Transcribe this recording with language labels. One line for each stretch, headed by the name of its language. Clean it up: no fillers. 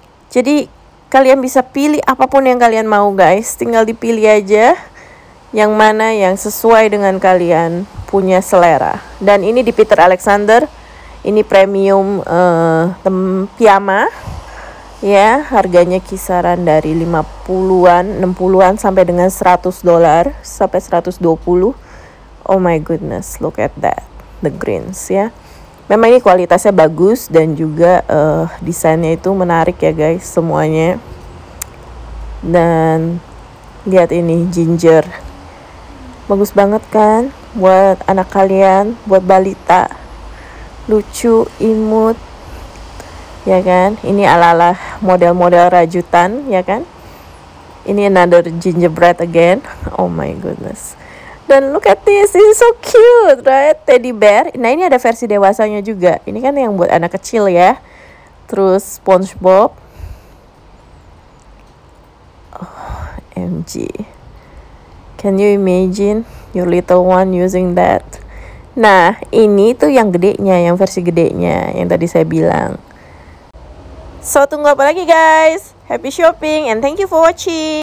Indonesian: Jadi kalian bisa pilih apapun yang kalian mau guys, tinggal dipilih aja yang mana yang sesuai dengan kalian punya selera. Dan ini di Peter Alexander ini premium Piyama ya, harganya kisaran dari 50-an, 60-an sampai dengan $100 sampai 120.
English: Oh my goodness, look at that, the greens ya.
Indonesian: Memang ini kualitasnya bagus dan juga desainnya itu menarik ya guys semuanya. Dan lihat ini ginger, bagus banget kan buat anak kalian, buat balita, lucu, imut ya kan. Ini ala-ala model-model rajutan ya kan. Ini
English: another gingerbread again, oh my goodness. Dan look at this, it's so cute, right? Teddy bear.
Indonesian: Nah ini ada versi dewasanya juga. Ini kan yang buat anak kecil ya. Terus SpongeBob.
English: OMG. Can you imagine your little one using that?
Indonesian: Nah ini tuh yang gedenya, yang versi gedenya, yang tadi saya bilang.
English: So
Indonesian: tunggu apa lagi
English: guys? Happy shopping and thank you for watching.